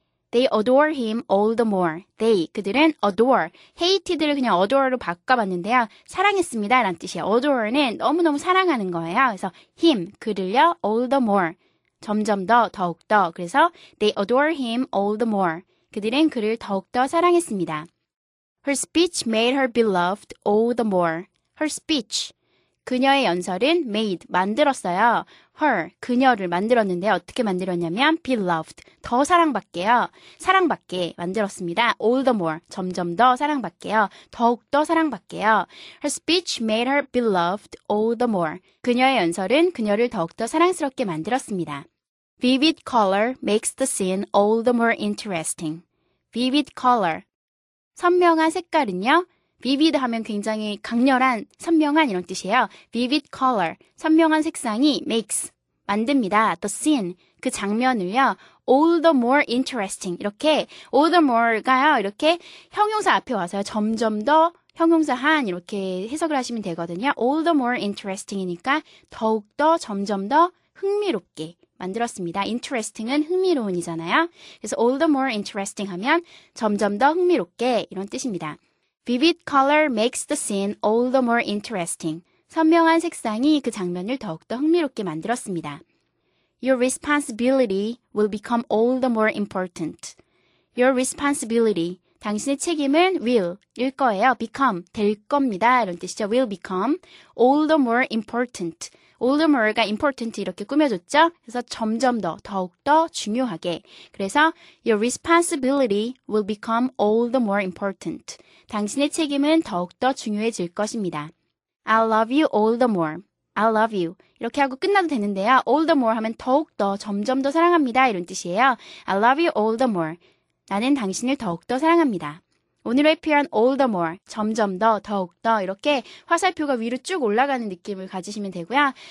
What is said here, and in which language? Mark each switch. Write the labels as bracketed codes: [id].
[en] They adore him all the more. They, 그들은 adore, hated를 [ko] 그냥 adore로 바꿔봤는데요. 사랑했습니다 라는 뜻이에요. adore는 너무너무 사랑하는 거예요. 그래서 him, 그를요, [en] all the more. [ko] 점점 더, 더욱더. 그래서 [en] they adore him all the more. [ko] 그들은 그를 더욱더 사랑했습니다. [en] Her speech made her beloved all the more. Her speech. [ko] 그녀의 연설은 made, 만들었어요. her, 그녀를 만들었는데 어떻게 만들었냐면 [en] be loved, [ko] 더 사랑받게요. 사랑받게 만들었습니다. [en] all the more, [ko] 점점 더 사랑받게요. 더욱더 사랑받게요. [en] her speech made her beloved all the more. [ko] 그녀의 연설은 그녀를 더욱더 사랑스럽게 만들었습니다. [en] vivid color makes the scene all the more interesting. vivid color. [ko] 선명한 색깔은요. Vivid 하면 굉장히 강렬한, 선명한 이런 뜻이에요. [en] Vivid color, [ko] 선명한 색상이 makes, 만듭니다. [en] The scene, [ko] 그 장면을요. [en] All the more interesting, 이렇게 all the more가요. [ko] 이렇게 형용사 앞에 와서요. 점점 더 형용사한 이렇게 해석을 하시면 되거든요. All the more interesting이니까 더욱더 점점 더 흥미롭게 만들었습니다. Interesting은 흥미로운이잖아요. 그래서 [en] all the more interesting [ko] 하면 점점 더 흥미롭게 이런 뜻입니다. [en] Vivid color makes the scene all the more interesting. [ko] 선명한 색상이 그 장면을 더욱더 흥미롭게 만들었습니다. [en] Your responsibility will become all the more important. Your responsibility, [ko] 당신의 책임은 will일 거예요. [en] Become, [ko] 될 겁니다. 이런 뜻이죠. [en] Will become all the more important. [ko] All the more가 important 이렇게 꾸며줬죠. 그래서 점점 더, 더욱더 중요하게. [en] 그래서 your responsibility will become all the more important. [ko] 당신의 책임은 더욱더 중요해질 것입니다. [en] I love you all the more. I love you. [ko] 이렇게 하고 끝나도 되는데요. [en] All the more [ko] 하면 더욱더, 점점 더 사랑합니다. 이런 뜻이에요. [en] I love you all the more. [ko] 나는 당신을 더욱더 사랑합니다. 오늘의 표현 [en] all the more, [ko] 점점 더, 더욱더 이렇게 화살표가 위로 쭉 올라가는 느낌을 가지시면 되고요.